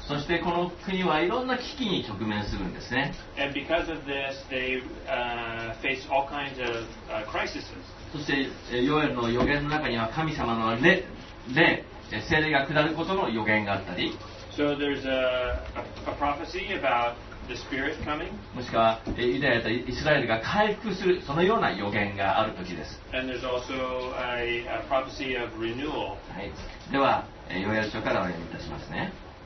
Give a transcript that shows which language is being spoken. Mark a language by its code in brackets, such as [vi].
[ja] そしてこの国はいろんな危機に直面するんですね。 [en] And because of this, they face all kinds of crises. [ja] そしてヨエルの予言の中には神様の霊、聖霊が下ることの予言があったり。 [en] So there's a prophecy about the spirit coming. [ja] もしくはユダヤとイスラエルが回復するそのような予言があるときです。 [en] And there's also a prophecy of renewal. [ja] はい。では、ヨエル書からお読みいたしますね。